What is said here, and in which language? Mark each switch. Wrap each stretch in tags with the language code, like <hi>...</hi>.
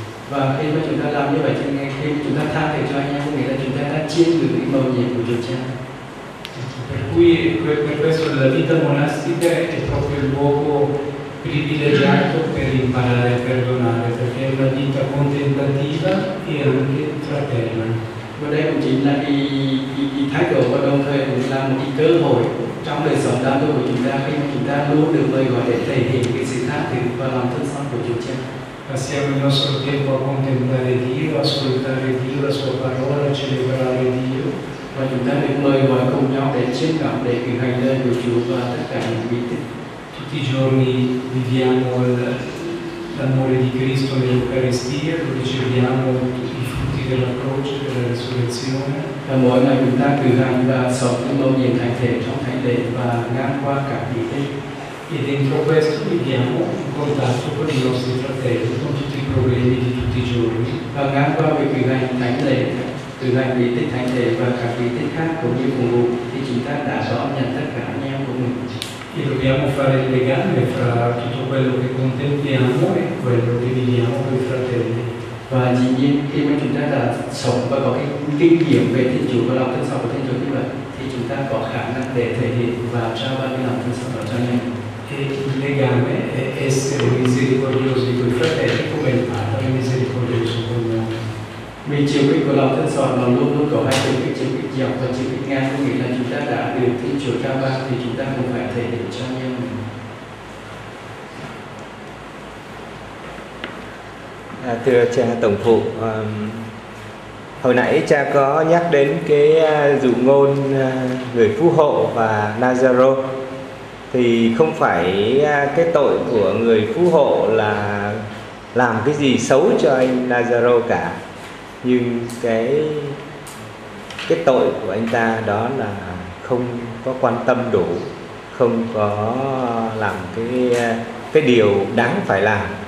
<vi>Và khi mà chúng ta làm như vậy thì ngay khi chúng ta tha thứ cho nhau nghĩa là chúng ta đã chiến được cái màu nhiệm của Chúa Cha.</vi> <it>Per cui per questo la vita monastica è proprio il luogo privilegiato per imparare a perdonare, perché è una vita contemplativa e anche fraterna.</it> <vi>Và đây cũng chính là cái thái độ và đồng thời cũng là một cái cơ hội trong đời sống đạo đức của chúng ta khi mà chúng ta luôn được mời gọi để thể hiện cái sự tha thứ và lòng thương xót của Chúa Cha.</vi> <it>Passiamo il nostro tempo a contemplare Dio, ascoltare Dio, la sua parola, celebrare Dio.</it> <vi>Và chúng ta được mời gọi cùng nhau để chiêm ngắm, để cử hành lên của Chúa và tất cả những bí tích.</vi> <it>Tutti i giorni viviamo l'amore di Cristo nell'Eucaristia, lo riceviamo tutti i frutti della croce, della risurrezione.</it> <vi>Và mỗi ngày chúng ta cử hành và sống những mầu nhiệm thánh thể trong thánh lễ và ngang qua cả bí tích.</vi> <it>E dentro questo viviamo in contatto con i nostri fratelli, con tutti i problemi di tutti i giorni.</it> <vi>Và ngang qua việc cử hành thánh lễ, cử hành bí tích thánh thể và cả bí tích khác cũng như cùng ngục thì chúng ta đã rõ nhận tất cả anh em của mình.</vi> <it>E dobbiamo fare il legame fra tutto quello che contempliamo e quello che viviamo con i fratelli.</it> <vi>Và dĩ nhiên khi mà chúng ta đã sống và có cái kinh nghiệm về Thiên Chúa và lòng thương xót của Thiên Chúa như vậy thì chúng ta có khả năng để thể hiện và trao ban cái lòng thương xót đó cho nhau.</vi> <it>E il legame è essere misericordiosi con i fratelli come il Padre misericordioso con noi.</it> <vi>Vì chiều kích của lòng thương xót nó luôn có hai chiều kích, chiều kích dọc và chiều kích ngang, có nghĩa là chúng ta đã được Thiên Chúa trao ban thì chúng ta cũng phải thể hiện cho nhau. Thưa cha tổng phụ, hồi nãy cha có nhắc đến cái dụ ngôn người phú hộ và Lazaro, thì không phải cái tội của người phú hộ là làm cái gì xấu cho anh Lazaro cả, nhưng cái tội của anh ta đó là không có quan tâm đủ, không có làm cái điều đáng phải làm.</vi>